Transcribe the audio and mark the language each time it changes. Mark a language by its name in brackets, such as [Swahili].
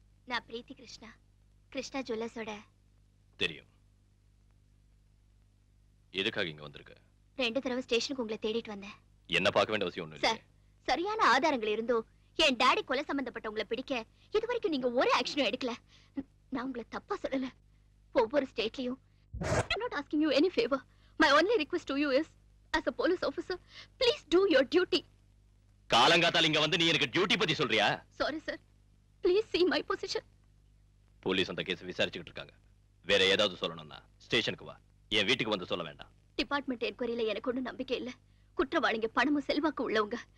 [Tamil] நான் பிரீத்தி கிருஷ்ணா, கிருஷ்ணா ஜுவல்லர்ஸோட. தெரியும். எதுக்காக இங்க வந்திருக்க? ரெண்டு தடவை ஸ்டேஷனுக்கு உங்களை தேடிட்டு வந்தேன். என்ன பார்க்க வேண்டிய அவசியம் ஒண்ணு இல்ல சார். சரியான ஆதாரங்கள் இருந்தோ என் டாடி கொலை சம்பந்தப்பட்ட உங்களை பிடிக்க இதுவரைக்கும் நீங்க ஒரு ஆக்ஷனும் எடுக்கல. நான் உங்களை தப்பா சொல்லல. ஒவ்வொரு ஸ்டேட்லயும் [English] I'm not asking you any favor. My only request to you is as a police officer, please do your duty. [Tamil] காலங்காத்தால இங்க வந்து நீ இருக்க டியூட்டி பத்தி சொல்றியா? [English] Sorry sir. Please see my position. [Tamil] Police அந்த கேஸ் விசாரிச்சுட்டு இருக்காங்க. வேற ஏதாவது சொல்லணும்னா ஸ்டேஷனுக்கு வா. என் வீட்டுக்கு வந்து சொல்ல வேண்டாம். டிபார்ட்மெண்ட் என்கொயரியில எனக்கு ஒன்றும் நம்பிக்கை இல்ல. குற்றவாளிங்க பணமும் செல்வாக்கு உள்ளவங்க.